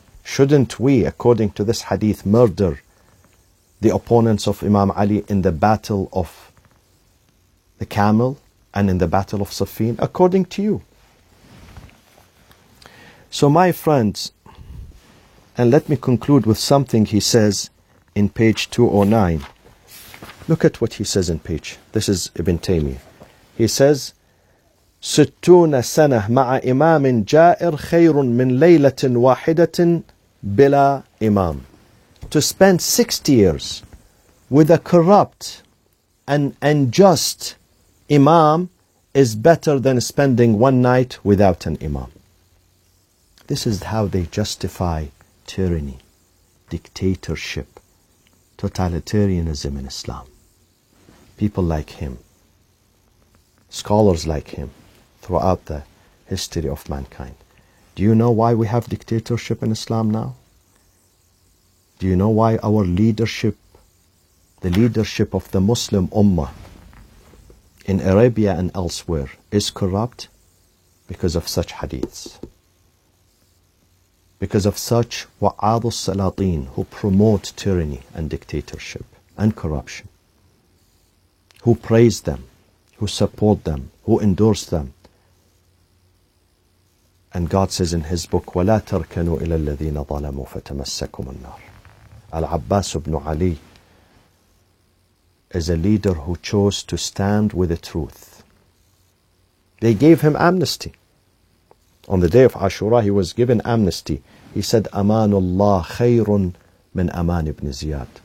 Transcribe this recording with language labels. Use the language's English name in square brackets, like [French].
[English] Shouldn't we, according to this hadith, murder the opponents of Imam Ali in the battle of the camel and in the battle of Safin, according to you? So my friends, and let me conclude with something he says in page 209. Look at what he says in page. This is Ibn Taymiyyah. He says, [Arabic] سُتُّونَ سَنَةً مَعَ إِمَامٍ جَائِرٌ خَيْرٌ مِنْ لَيْلَةٍ وَاحِدَةٍ بِلَا إِمَامٍ. [English] To spend 60 years with a corrupt and unjust imam is better than spending one night without an imam. This is how they justify tyranny, dictatorship, totalitarianism in Islam. People like him, scholars like him, throughout the history of mankind. Do you know why we have dictatorship in Islam now? Do you know why our leadership, the leadership of the Muslim Ummah in Arabia and elsewhere, is corrupt? Because of such hadiths. Because of such wa'ad al-salatin who promote tyranny and dictatorship and corruption. Who praise them, who support them, who endorse them. And God says in his book, [Arabic] وَلَا تَرْكَنُوا إِلَى الَّذِينَ ظَلَمُوا فَتَمَسَّكُمُ النَّارِ. [English] Al-Abbas ibn Ali is a leader who chose to stand with the truth. They gave him amnesty. On the day of Ashura, he was given amnesty. He said, [Arabic] Amanullah khayrun min Aman ibn Ziyad.